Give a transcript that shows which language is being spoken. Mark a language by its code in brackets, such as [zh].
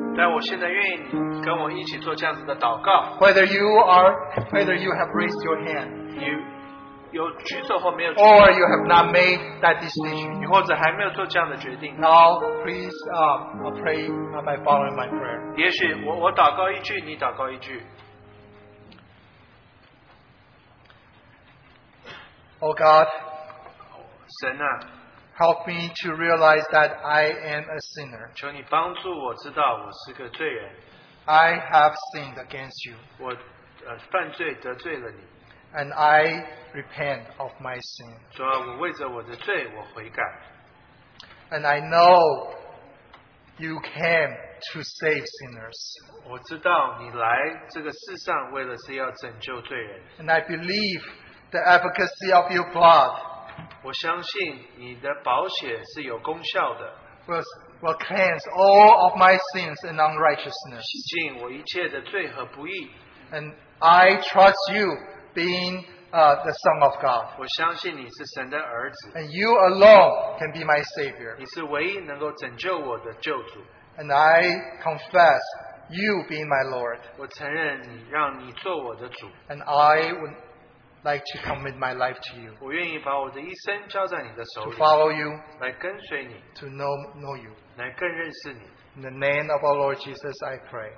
[en] Whether you have raised your hand, or you have not made that decision, now please pray by following my prayer. [zh] 也许我祷告一句, 你祷告一句。 [en] Oh God, [zh] 神啊, [en] help me to realize that I am a sinner. [zh] 求你帮助我知道我是个罪人。 [en] I have sinned against you. [zh] 我, 犯罪得罪了你。 [en] And I repent of my sin. [zh] 主啊,我为着我的罪, [en] and I know you came to save sinners. [zh] 我知道你来这个世上为了是要拯救罪人。 [en] And I believe the efficacy of your blood [zh] 我相信你的宝血是有功效的。 [en] will cleanse all of my sins and unrighteousness. [zh] 洗净我一切的罪和不义。 [en] And I trust you being the Son of God. [zh] 我相信你是神的儿子。 [en] And you alone can be my Savior. [zh] 你是唯一能够拯救我的救主。 [en] And I confess you being my Lord. [zh] 我承认你让你做我的主。 [en] And I would like to commit my life to you. [zh] 我愿意把我的一生交在你的手里。 [en] To follow you. [zh] 来跟随你。 [en] To know you. [zh] 来更认识你。 [en] In the name of our Lord Jesus, I pray.